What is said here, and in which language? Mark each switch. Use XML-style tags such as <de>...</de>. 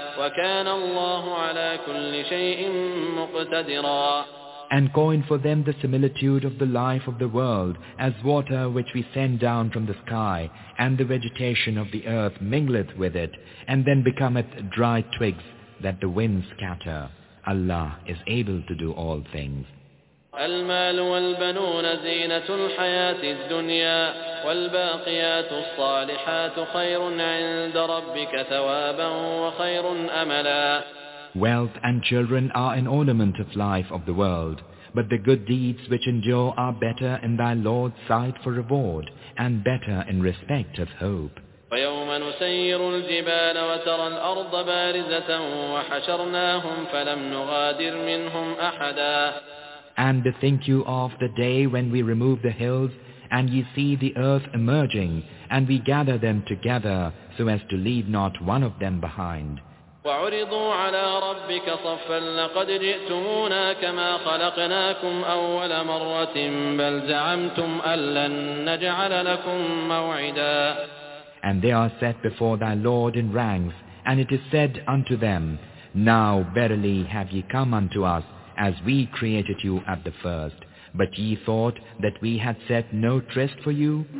<ar>وكان الله على كل شيء مقتدرا.</ar> <en>And coin for them the similitude of the life of the world as water which we send down from the sky, and the vegetation of the earth mingleth with it, and then becometh dry twigs that the winds scatter. Allah is able to do all things.</en> <ar>المال والبنون زينة الحياة الدنيا والباقيات الصالحات خير عند ربك ثوابا وخير أملا.</ar> <en>Wealth and children are an ornament of life of the world, but the good deeds which endure are better in thy Lord's sight for reward and better in respect of hope.</en> <ar>وَيَوْمَ نُسَيِّرُ الْجِبَالَ وَتَرَى الْأَرْضَ بَارِزَةً وَحَشَرْنَاهُمْ فَلَمْ نُغَادِرْ مِنْهُمْ أَحَدًا.</ar> <en>And bethink you of the day when we remove the hills and ye see the earth emerging, and we gather them together so as to leave not one of them behind.</en> <ar>وعرضوا على ربك صفا لقد جئتمونا كما خلقناكم أول مرة بل زعمتم ألن نجعل لكم موعدا.</ar> <en>And they are set before thy Lord in ranks, and it is said unto them, Now verily have ye come unto us as we created you at the first. But ye thought that we had set no tryst for you.</en>